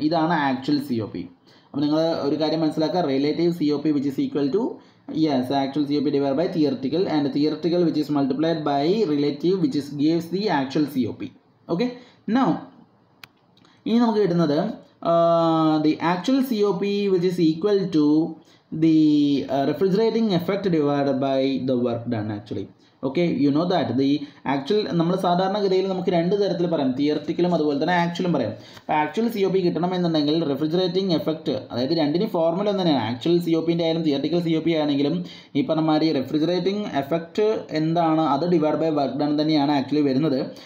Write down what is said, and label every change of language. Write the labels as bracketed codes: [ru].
[ml] ഇതാണ് actual C O P. അപ്പോൾ നിങ്ങൾ ഒരു കാര്യം മനസ്സിലാക്കുക, [en] Relative C O P which is equal to yes actual C O P divide by theoretical, and theoretical which is multiplied by relative which is gives the actual C O P. Okay, now [ml] ഇനി നമുക്ക് കിട്ടുന്നത് [en] The actual C O P which is equal to the refrigerating effect divided by the work done actually. [ml] Okay [en] you know that the actual [ml] നമ്മൾ സാധാരണഗതിയിൽ നമുക്ക് രണ്ട് തരത്തിൽ പറയാം, തിയറട്ടിക്കലും അതുപോലെ തന്നെ ആക്ച്വലും പറയാം. അപ്പോൾ ആക്ച്വൽ സി ഒ പി കിട്ടണം എന്നുണ്ടെങ്കിൽ റെഫ്രിജറേറ്റിംഗ് എഫക്ട്, അതായത് രണ്ടിനും ഫോർമുല തന്നെയാണ്, ആക്ച്വൽ സി ഒ പിൻ്റെ ആയാലും തിയറട്ടിക്കൽ സി ഒ പി ആണെങ്കിലും ഈ പറഞ്ഞ മാതിരി റെഫ്രിജറേറ്റിംഗ് എഫക്ട് എന്താണ് അത് ഡിവൈഡ് ബൈ വർക്ക് ഡൺ തന്നെയാണ് ആക്ച്വലി വരുന്നത്.